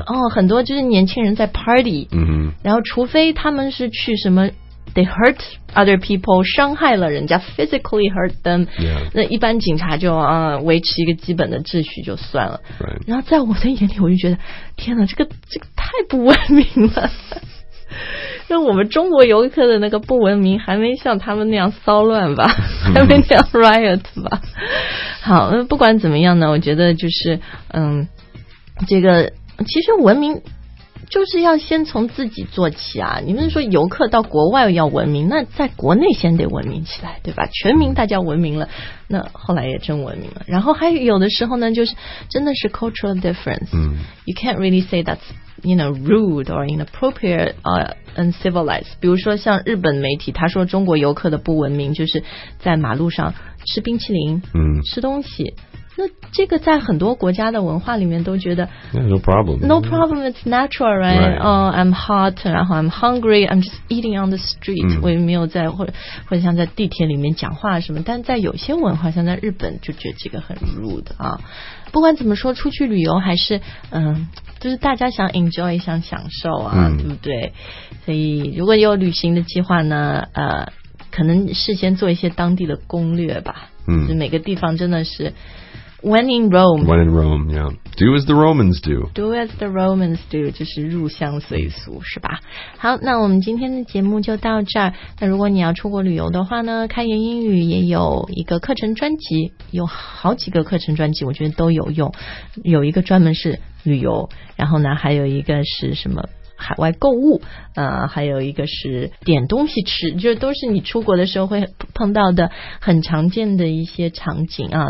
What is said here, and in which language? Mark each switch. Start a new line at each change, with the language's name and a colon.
Chinese: 哦，很多就是年轻人在 party，、
English: mm-hmm.
Chinese: 然后除非他们是去什么。
English: They hurt other people,
Chinese: 伤害了人家
English: physically hurt them.、 Yeah.
Chinese: 那一般警察就、维持一个基本的秩序就算了。
English: Right.
Chinese: 然后在我的眼里，我就觉得，天哪，这个太不文明了。那我们中国游客的那个不文明还没像他们那样骚乱吧？还没那样 riot 吧？好，不管怎么样呢，我觉得就是，这个其实文明。就是要先从自己做起啊，你们说游客到国外要文明，那在国内先得文明起来，对吧？全民大家文明了，那后来也真文明了。然后还有的时候呢，就是真的是
English: cultural difference、you can't really say that's you know rude or inappropriate or uncivilized。
Chinese: 比如说像日本媒体，他说中国游客的不文明就是在马路上吃冰淇淋、吃东西，那这个在很多国家的文化里面都觉得
English: No problem, it's natural, right? I'm hot,
Chinese: 然后
English: I'm hungry, I'm just eating on the street、
Chinese: 我也没有在或者像在地铁里面讲话什么，但在有些文化像在日本就觉得这个很 rude 啊。不管怎么说，出去旅游还是就是大家想 enjoy 想享受啊、对不对？所以如果有旅行的计划呢，可能事先做一些当地的攻略吧。就每个地方真的是
English: When in Rome, yeah. Do as the Romans do. Do as the Romans do,
Chinese: 就是入乡随俗，是吧？好，那我们今天的节目就到这儿。那如果你要出国旅游的话呢，开言英语也有一个课程专辑，有好几个课程专辑，我觉得都有用。有一个专门是旅游，然后呢，还有一个是什么？海外购物，还有一个是点东西吃，就都是你出国的时候会碰到的很常见的一些场景啊。